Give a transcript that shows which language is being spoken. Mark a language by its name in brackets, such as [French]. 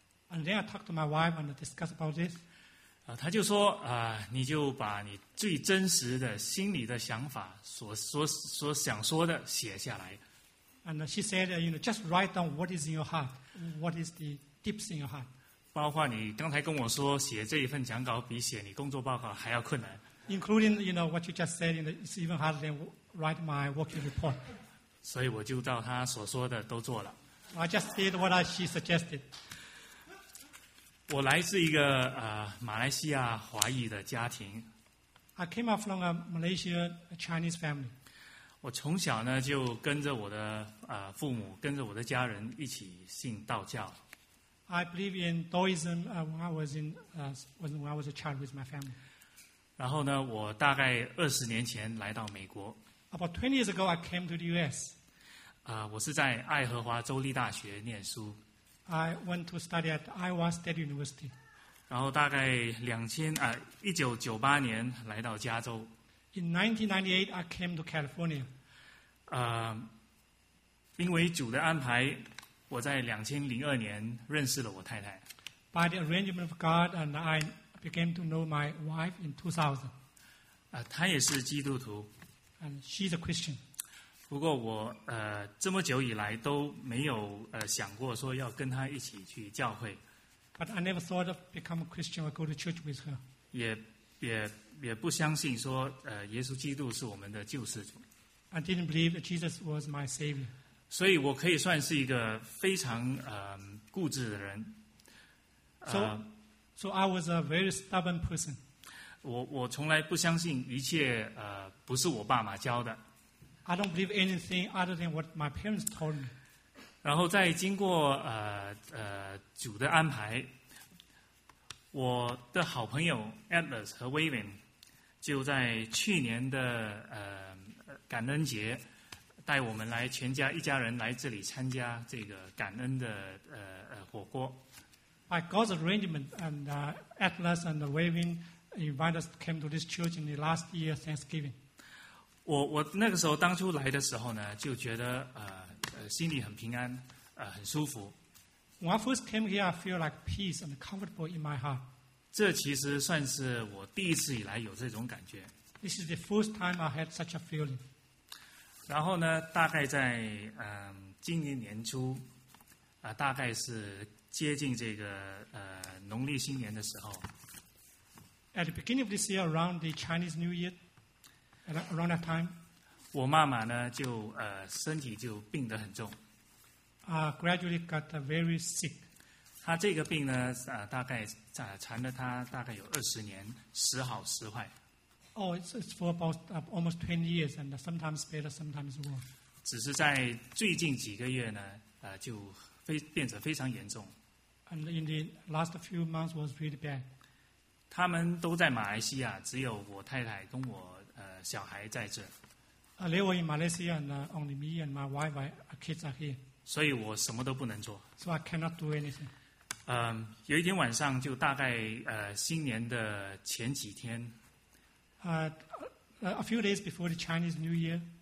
[English] And then I talked to my wife and discussed about this. [Chinese] 她就说你就把你最真实的心里的想法所想说的写下来。 [English] And she said, you know, just write down what is in your heart, what is the deeps in your heart. [Chinese] 包括你刚才跟我说写这一份讲稿比写你工作报告还要困难。 [English] Including, you know, what you just said, it's even harder than write my working report. [Chinese] 所以我就照他所说的都做了。 [English] I just did what she suggested. [Chinese] 我来自一个马来西亚华裔的家庭。 [English] I came up from a Malaysia Chinese family. [Chinese] 我从小呢就跟着我的父母跟着我的家人一起信道教。 [English] I believe in Taoism when I was a child with my family. [Chinese] 然后呢，我大概二十年前来到美国。 [English] About 20 years ago, I came to the U.S. [Chinese] 我是在爱荷华州立大学念书。 [English] I went to study at Iowa State University. [Chinese] 然后大概1998年来到加州。 [English] In 1998, I came to California. [Chinese] 因为主的安排。我在2002年认识了我太太。 [English] By the arrangement of God, and I began to know my wife in 2000. [Chinese] 她也是基督徒。 [English] And she's a Christian. [Chinese] 不过我这么久以来都没有想过说要跟她一起去教会。 [English] But I never thought of become a Christian or go to church with her. [Chinese] 也不相信说耶稣基督是我们的救世主。 [English] I didn't believe that Jesus was my savior. [Chinese] 所以我可以算是一个非常固执的人。 [English] So I was a very stubborn person. [Chinese] 我从来不相信一切不是我爸妈教的。 [English] I don't believe anything other than what my parents told me. [Chinese] 然后在经过主的安排，我的好朋友 Atlas 和 Waven 就在去年的感恩节带我们来全家一家人来这里参加这个感恩的火锅。 [English] By God's arrangement, and Atlas and Waven invited us to come to this church in the last year Thanksgiving. [Chinese] 我那个时候当初来的时候呢，就觉得心里很平安，很舒服。 [English] When I first came here, I feel like peace and comfortable in my heart. [Chinese] 这其实算是我第一次以来有这种感觉。 [English] This is the first time I had such a feeling. [Chinese] 然后呢，大概在今年年初，大概是接近这个农历新年的时候。 [English] At the beginning of this year, around the Chinese New Year, around that time, [Chinese] 我妈妈呢就身体就病得很重。 [English] Gradually got very sick. [Chinese] 他这个病呢，大概缠了他大概有二十年，时好时坏。 [English] Oh, it's for about almost 20 years, and sometimes better, sometimes worse. [Chinese] 只是在最近几个月呢，就变得非常严重。 [English] And in the last few months was really bad. [Chinese] 他们都在马来西亚，只有我太太跟我小孩在这。 [English] They were in Malaysia, and only me and my wife and our kids are here. [Chinese] 所以我什么都不能做。 [English] So I cannot do anything. [Chinese] 有一天晚上就大概新年的前几天。 [English] A few days before the Chinese New Year.